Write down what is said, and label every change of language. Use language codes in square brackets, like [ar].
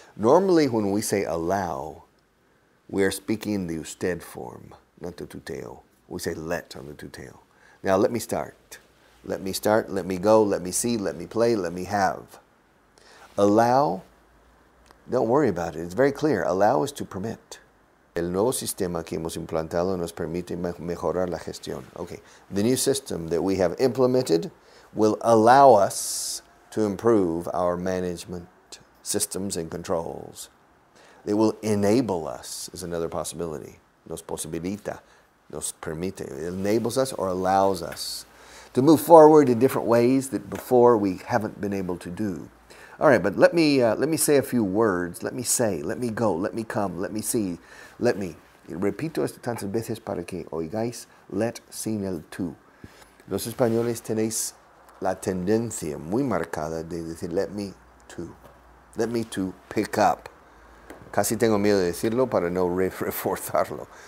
[en] Normally, when we say allow, we are speaking the usted form, not the tuteo. We say let on the tuteo. Now, let me start. Let me start, let me go, let me see, let me play, let me have. Allow, don't worry about it, it's very clear. Allow is to permit. [es] El nuevo sistema que hemos implantado nos permite mejorar la gestión. [en] Okay, the new system that we have implemented will allow us to improve our management systems and controls. It will enable us, is another possibility. [es] Nos posibilita, nos permite, [en] it enables us or allows us to move forward in different ways that before we haven't been able to do. All right, but let me say a few words. Let me say, let me go, let me come, let me see, let me. [es] Repito esto tantas veces para que oigáis, let sin el tú. Los españoles tenéis la tendencia muy marcada de decir [en] let me to. Let me to pick up. [es] Casi tengo miedo de decirlo para no reforzarlo.